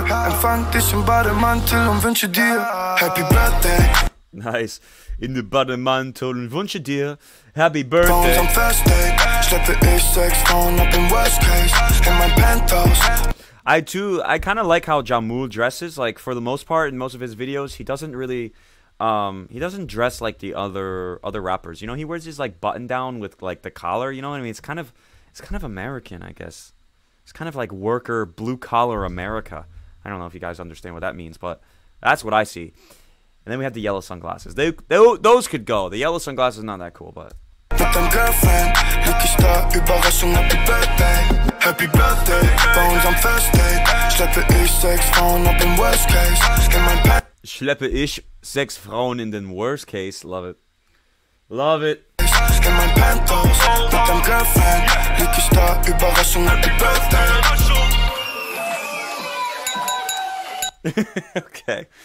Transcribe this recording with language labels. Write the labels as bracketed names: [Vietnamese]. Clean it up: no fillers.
[German] Empfang dich im Bademantel und wünsche dir Happy Birthday. [English] Nice. [German] In den Bademantel und wünsche dir Happy Birthday. Bei unserem First Date schleppe ich sechs Frauen ab im Worst Case in mein Penthouse. [English] I kind of like how Jamul dresses, like, for the most part, in most of his videos, he doesn't really, he doesn't dress like the other rappers, you know, he wears his, like, button down with, like, the collar, you know what I mean, it's kind of American, I guess, it's kind of like worker, blue-collar America, I don't know if you guys understand what that means, but that's what I see, and then we have the yellow sunglasses, those could go, the yellow sunglasses are not that cool, but... [German] Mit deinem Girlfriend, lieg ich da, Überraschung, Happy Birthday. Happy Birthday, bei unserem First Date. Schleppe ich sechs Frauen ab im Worst Case in mein Pen. Schleppe ich sechs Frauen in den Worst Case, [English] love it. Love it. [German] In mein Penthouse, mit deinem Girlfriend, lieg ich da, Überraschung, Happy Birthday.